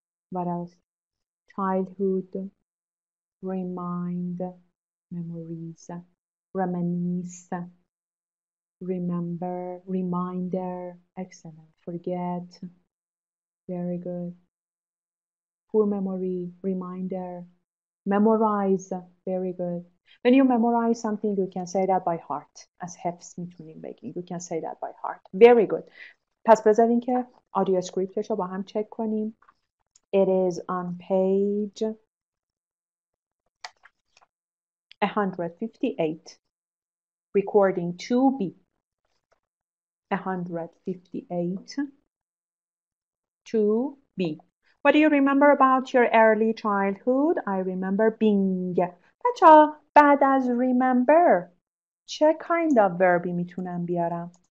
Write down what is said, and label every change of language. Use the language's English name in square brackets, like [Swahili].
[English] What else? Childhood, remind, memories, reminisce, remember, reminder, excellent. Forget, very good. Poor memory, reminder, memorize, very good. When you memorize something, you can say that by heart. As [Persian] حفظ میتونیم بگیم, [English] you can say that by heart. Very good. [Persian] پس بذارین که audio scriptش رو با هم چک کنیم. [English] It is on page 158, recording 2B. 158, 2B. What do you remember about your early childhood? I remember being. [Persian] بچه ها, بعد از remember, چه kind of verbی میتونم بیارم?